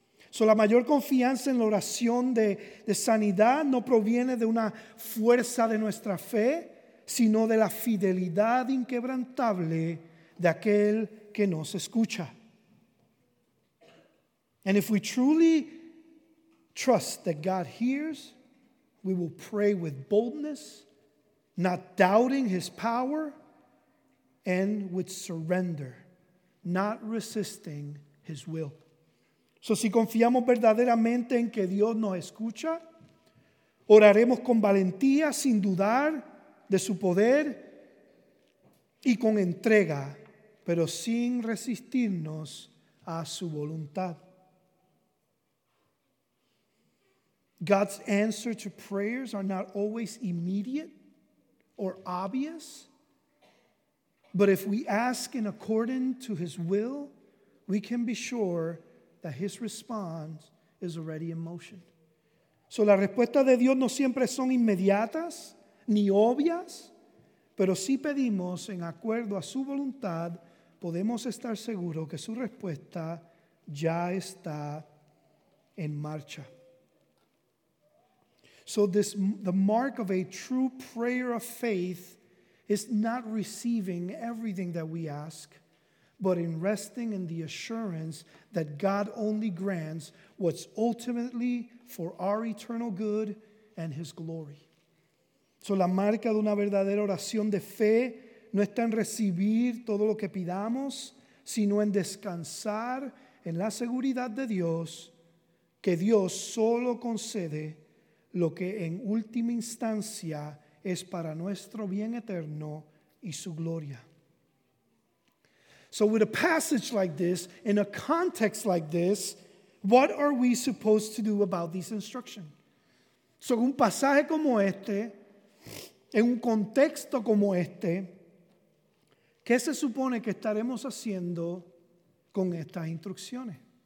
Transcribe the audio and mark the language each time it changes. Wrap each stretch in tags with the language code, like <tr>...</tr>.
<es>So la mayor confianza en la oración de sanidad no proviene de una fuerza de nuestra fe, sino de la fidelidad inquebrantable de aquel que nos escucha.</es> <en>And if we truly trust that God hears, we will pray with boldness, not doubting his power, and with surrender, not resisting his will.</en> <es>So si confiamos verdaderamente en que Dios nos escucha, oraremos con valentía, sin dudar de su poder y con entrega, pero sin resistirnos a su voluntad.</es> <en>God's answer to prayers are not always immediate or obvious, but if we ask in accordance to his will, we can be sure that his response is already in motion.</en> <es>So las respuestas de Dios no siempre son inmediatas ni obvias, pero si pedimos en acuerdo a su voluntad, podemos estar seguros que su respuesta ya está en marcha.</es> <en>So this, the mark of a true prayer of faith is not receiving everything that we ask, but in resting in the assurance that God only grants what's ultimately for our eternal good and his glory.</en> <es>So la marca de una verdadera oración de fe no está en recibir todo lo que pidamos, sino en descansar en la seguridad de Dios, que Dios solo concede lo que en última instancia es para nuestro bien eterno y su gloria.</es> <en>So with a passage like this, in a context like this, what are we supposed to do about these instructions?</en> <es>So un pasaje como este, en un contexto como este, ¿qué se supone que estaremos haciendo con estas instrucciones?</es>